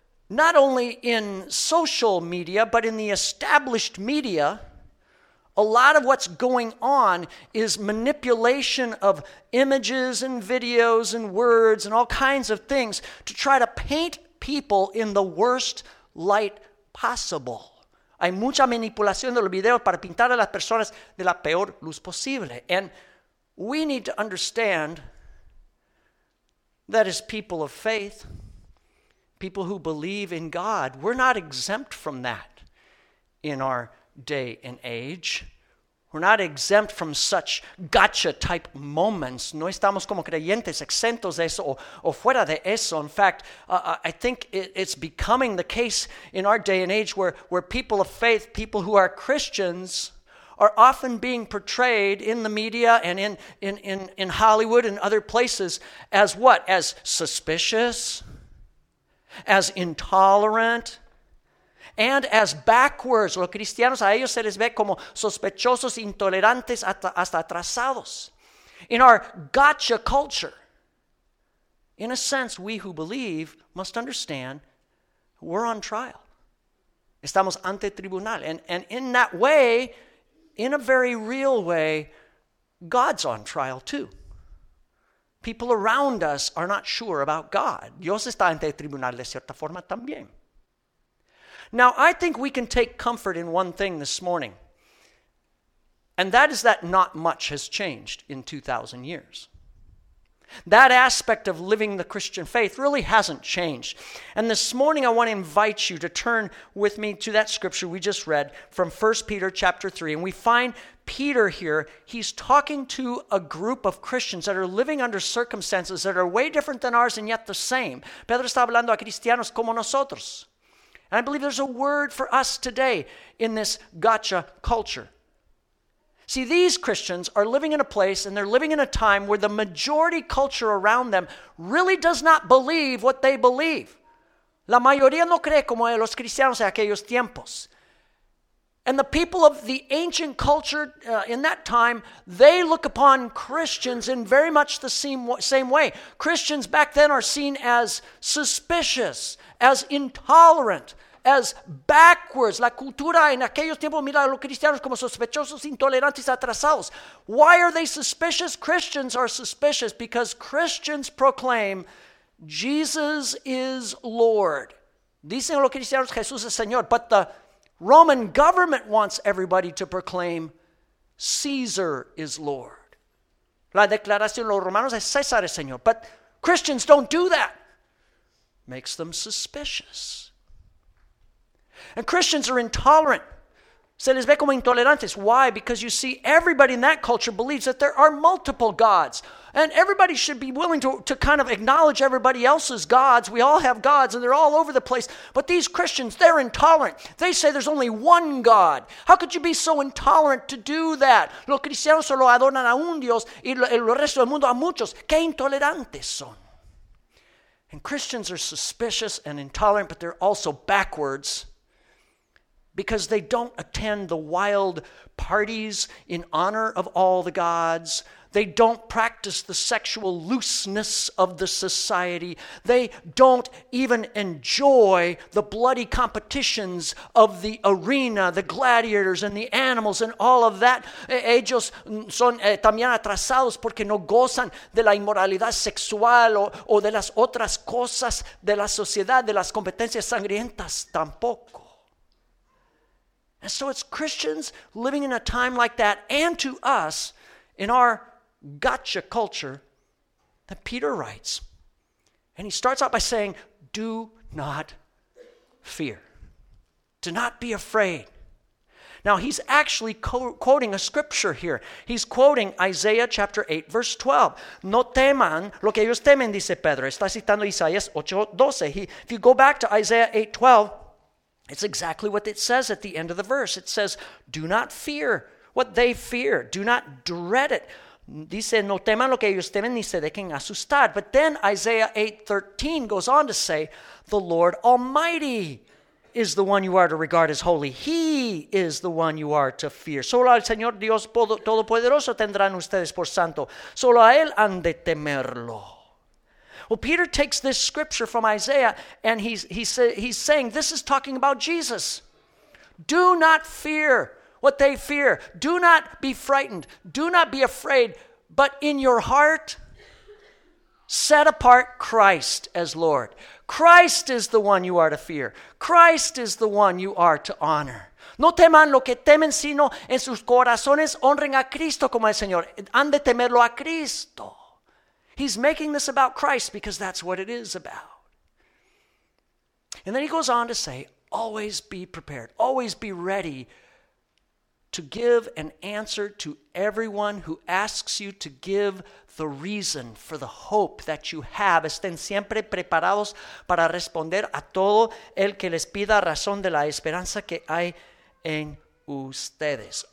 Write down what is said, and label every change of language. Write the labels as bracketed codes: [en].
[en] not only in social media, but in the established media, a lot of what's going on is manipulation of images and videos and words and all kinds of things to try to paint people in the worst light possible. [es] Hay mucha manipulación de los videos para pintar a las personas de la peor luz posible. [en] And we need to understand that as people of faith, people who believe in God, we're not exempt from that in our day and age. We're not exempt from such gotcha-type moments. [es] No estamos como creyentes exentos de eso o fuera de eso. [en] In fact, I think it's becoming the case in our day and age where people of faith, people who are Christians, are often being portrayed in the media and in Hollywood and other places as what? As suspicious, as intolerant, and as backwards. [es] Los cristianos, a ellos se les ve como sospechosos, intolerantes, hasta atrasados. [en] In our gotcha culture, in a sense, we who believe must understand we're on trial. [es] Estamos ante tribunal. [en] And in that way, in a very real way, God's on trial too. People around us are not sure about God. [es] Dios está ante el tribunal de cierta forma también. [en] Now, I think we can take comfort in one thing this morning, and that is that not much has changed in 2,000 years. That aspect of living the Christian faith really hasn't changed. And this morning, I want to invite you to turn with me to that scripture we just read from 1 Peter chapter 3. And we find Peter here, he's talking to a group of Christians that are living under circumstances that are way different than ours and yet the same. [es] Pedro está hablando a cristianos como nosotros. [en] And I believe there's a word for us today in this gotcha culture. See, these Christians are living in a place and they're living in a time where the majority culture around them really does not believe what they believe. [es] La mayoría no cree como los cristianos en aquellos tiempos. [en] And the people of the ancient culture in that time, they look upon Christians in very much the same way. Christians back then are seen as suspicious, as intolerant, as backwards. [es] La cultura en aquellos tiempos mira a los cristianos como sospechosos, intolerantes, atrasados. [en] Why are they suspicious? Christians are suspicious because Christians proclaim Jesus is Lord. [es] Dicen los cristianos Jesús es Señor. [en] But the Roman government wants everybody to proclaim Caesar is Lord. [es] La declaración de los romanos es César es Señor. [en] But Christians don't do that. Makes them suspicious. And Christians are intolerant. [es] Se les ve como intolerantes. [en] Why? Because you see, everybody in that culture believes that there are multiple gods. And everybody should be willing to kind of acknowledge everybody else's gods. We all have gods and they're all over the place. But these Christians, they're intolerant. They say there's only one God. How could you be so intolerant to do that? [es] Los cristianos solo adoran a un Dios y el resto del mundo a muchos. Qué intolerantes son. [en] And Christians are suspicious and intolerant, but they're also backwards. Because they don't attend the wild parties in honor of all the gods. They don't practice the sexual looseness of the society. They don't even enjoy the bloody competitions of the arena, the gladiators and the animals and all of that. [es] Ellos son también atrasados porque no gozan de la inmoralidad sexual o de las otras cosas de la sociedad, de las competencias sangrientas tampoco. [en] And so it's Christians living in a time like that and to us in our gotcha culture that Peter writes. And he starts out by saying, do not fear. Do not be afraid. Now he's actually quoting a scripture here. He's quoting Isaiah chapter 8 verse 12. [es] No teman lo que ellos temen, dice Pedro. Está citando Isaías 8:12. [en] If you go back to Isaiah 8:12, it's exactly what it says at the end of the verse. It says, do not fear what they fear. Do not dread it. [es] Dice, no teman lo que ellos temen, ni se dejen asustar. [en] But then Isaiah 8:13 goes on to say, the Lord Almighty is the one you are to regard as holy. He is the one you are to fear. [es] Solo al Señor Dios Todopoderoso tendrán ustedes por santo. Solo a Él han de temerlo. [en] Well, Peter takes this scripture from Isaiah, and he's saying, this is talking about Jesus. Do not fear what they fear. Do not be frightened. Do not be afraid. But in your heart, set apart Christ as Lord. Christ is the one you are to fear. Christ is the one you are to honor. [es] No teman lo que temen, sino en sus corazones honren a Cristo como el Señor. Han de temerlo a Cristo. [en] He's making this about Christ because that's what it is about. And then he goes on to say, always be prepared. Always be ready to give an answer to everyone who asks you to give the reason for the hope that you have. [es] Estén siempre preparados para responder a todo el que les pida razón de la esperanza que hay en ustedes.